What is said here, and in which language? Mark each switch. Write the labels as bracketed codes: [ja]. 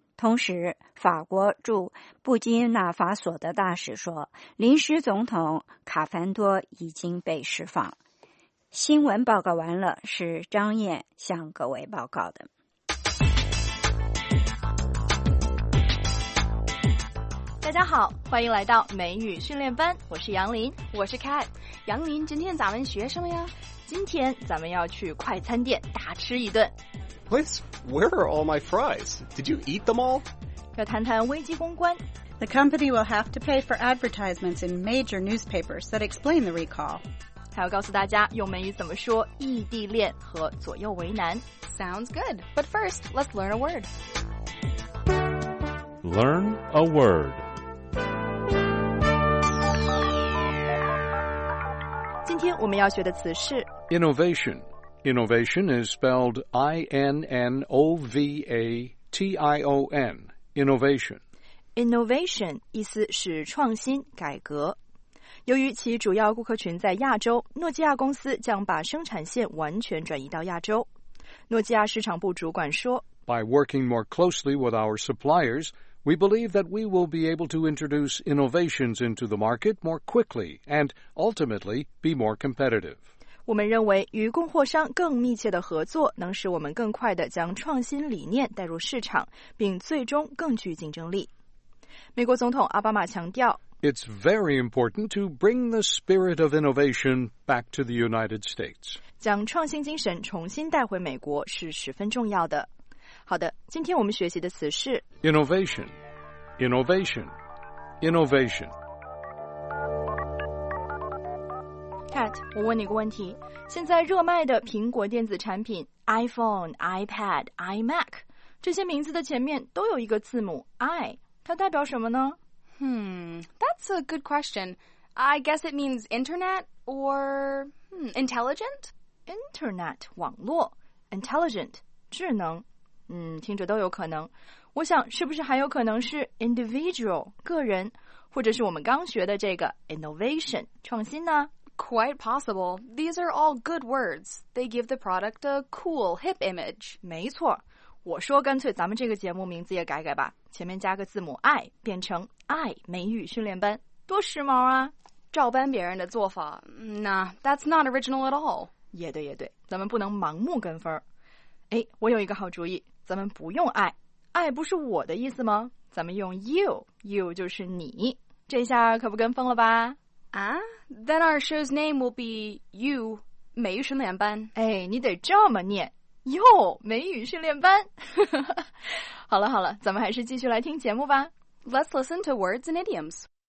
[zh] 同时，法国驻布基纳法索的大使说，临时总统卡凡多已经被释放。新闻报告完了，是张燕向各位报告的。大家好，欢迎来到美语训练班，我是杨林。我是 Kat。杨林，今天咱们学什么呀？今天咱们要去快餐店大吃一顿。 [en] Please, where are all my fries? Did you eat them all? [zh] 要谈谈危机公关。 [en] The company will have to pay for advertisements in major newspapers that explain the recall. [zh] 还要告诉大家用美语怎么说异地恋和左右为难。 [en] Sounds good, but first, let's learn a word. Learn a word. [zh] 今天我们要学的词是 [en] innovation. Innovation is spelled I-N-N-O-V-A-T-I-O-N. Innovation. [zh] Innovation 意思是创新、改革。由于其主要顾客群在亚洲，诺基亚公司将把生产线完全转移到亚洲。诺基亚市场部主管说 [en] By working more closely with our suppliers,We believe that we will be able to introduce innovations into the market more quickly and ultimately be more competitive. [zh] 我们认为与供货商更密切的合作能使我们更快地将创新理念带入市场，并最终更具竞争力。美国总统奥巴马强调 [en] It's very important to bring the spirit of innovation back to the United States. [zh] 将创新精神重新带回美国是十分重要的。好的，今天我们学习的词是 [en] innovation, innovation, innovation. [zh] Kat, 我问你个问题，现在热卖的苹果电子产品 iPhone, iPad, iMac, 这些名字的前面都有一个字母 I, 它代表什么呢？ [en] That's a good question. I guess it means internet or intelligent? [zh] Internet, 网络 intelligent, 智能听着都有可能。我想是不是还有可能是 individual, 个人，或者是我们刚学的这个 innovation, 创新呢？ [en] Quite possible. These are all good words. They give the product a cool, hip image. [zh] 没错。我说干脆咱们这个节目名字也改改吧。前面加个字母 I, 变成 I, 美语训练班。多时髦啊。照搬别人的做法。 [en] Nah, that's not original at all. [zh] 也对也对。咱们不能盲目跟风。哎，我有一个好主意，咱们不用爱，爱不是我的意思吗？咱们用 you 就是你，这下可不跟风了吧？ [en] 啊 ？Then our show's name will be You 美语训练班。 [zh] 哎，你得这么念 ，Yo 美语训练班。好了好了，咱们还是继续来听节目吧。 [en] Let's listen to words and idioms.